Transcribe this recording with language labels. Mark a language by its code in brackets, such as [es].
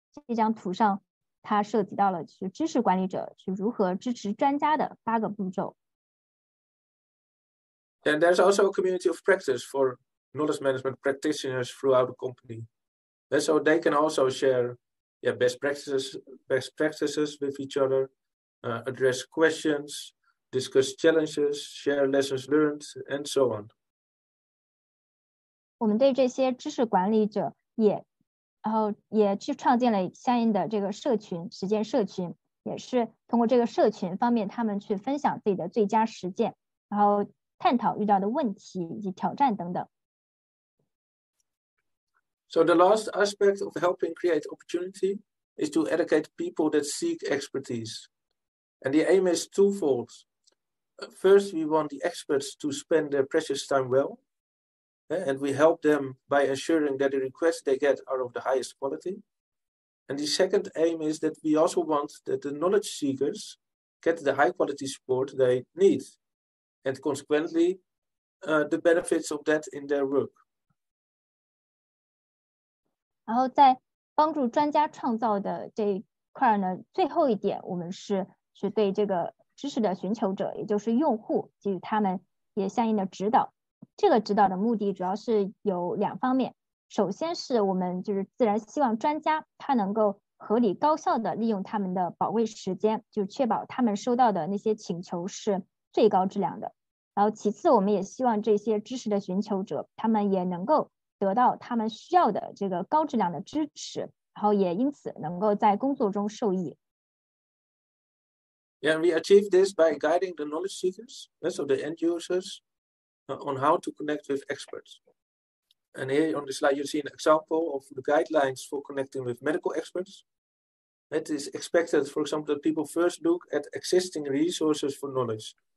[zh] 这张图上它涉及到了就是知识管理者去如何支持专家的8个步骤。 [en] And there's also a community of practice for knowledge management practitioners throughout the company. So they can also share best practices with each other, address questions, discuss challenges, share lessons learned, and so on. [zh] 我们对这些知识管理者也，然后也去创建了相应的这个社群，实践社群，也是通过这个社群方便他们去分享自己的最佳实践，然后探讨遇到的问题以及挑战等等。 [en] So the last aspect of helping create opportunity is to educate people that seek expertise. And the aim is twofold. First, we want the experts to spend their precious time well, and we help them by ensuring that the requests they get are of the highest quality. And the second aim is that we also want that the knowledge seekers get the high quality support they need, and consequently, the benefits of that in their work. [zh] 然后在帮助专家创造的这一块呢，最后一点我们是对这个知识的寻求者，也就是用户，给予他们也相应的指导。这个指导的目的主要是有两方面，首先是我们就是自然希望专家他能够合理高效的利用他们的宝贵时间，就确保他们收到的那些请求是最高质量的。然后其次我们也希望这些知识的寻求者他们也能够得到他们需要的这个高质量的支持，然后也因此能够在工作中受益。 [en] Yeah, we achieve this by guiding the knowledge seekers, so the end users, on how to connect with experts. And here on the slide, you see an example of the guidelines for connecting with medical experts. It is expected, for example, that people first look at existing resources for knowledge.